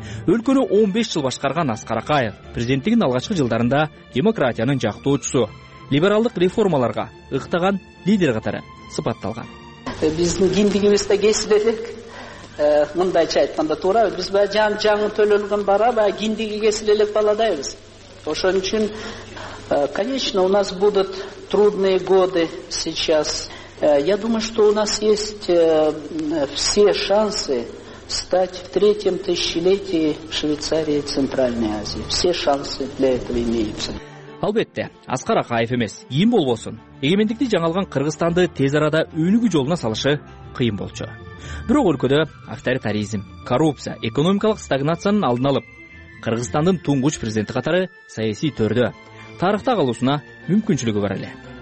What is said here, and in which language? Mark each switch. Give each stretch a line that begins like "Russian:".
Kyrgyz: Өлкөнү 15 жыл башкарган Аскар Акаев, президенттигин алгачкы жылдарында демократиянын жактоочусу, либералдык реформаларга ыктаган лидер катары сыпатталган. Биздин кимдигибизде кесилелек. Мындайча айтканда туура, биз жаңы төлөлгөн бара, кимдиги кесилелек баладайбыз. Ошон үчүн,
Russian: конечно, у нас будут трудные годы сейчас. Я думаю, что у нас есть все шансы стать в третьем тысячелетии Швейцарии и Центральной Азии. Все шансы для этого имеются.
Kyrgyz: Албетте, Аскар Акаев эмес, ким болбосун, эгемендикти жаңалган Кыргызстанды тез арада өнүгүү жолуна салышы кыйын болчу. Бирок өлкөдө авторитаризм, коррупция, экономикалык стагнациянын алдын алып, Кыргызстандын туңгуч президенти катары саясий төрдө тарыхта калуусуна мүмкүнчүлүгү бар эле.